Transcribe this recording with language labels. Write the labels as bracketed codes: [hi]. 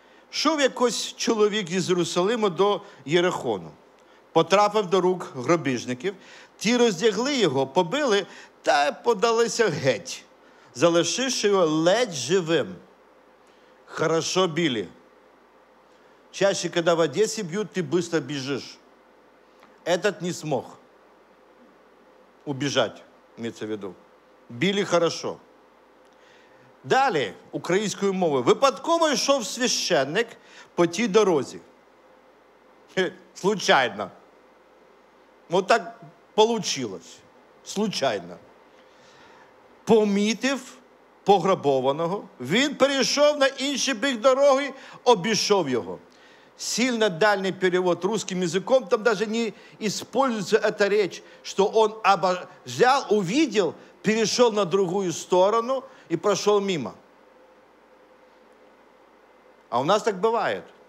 [uk] Шов якось чоловік із Єрусалиму до Єрихону. Потрапив до рук грабіжників. Ті роздягли його, побили та подалися геть, залишивши його ледь живим. [ru] Хорошо били. Чаще, когда в Одессе бьют, ты быстро бежишь. Этот не смог убежать, имеется в виду. Били хорошо. Далее, украинскую мову. [uk] Випадково йшов священник по тій дорозі. Случайно. [ru] Вот так получилось. Случайно. [uk] Помітив пограбованого, він перейшов на інший бік дороги, обійшов його. [ru] Сильно дальний перевод русским языком, там даже не используется эта речь, что он взял, увидел, перешел на другую сторону и прошел мимо. А у нас так бывает.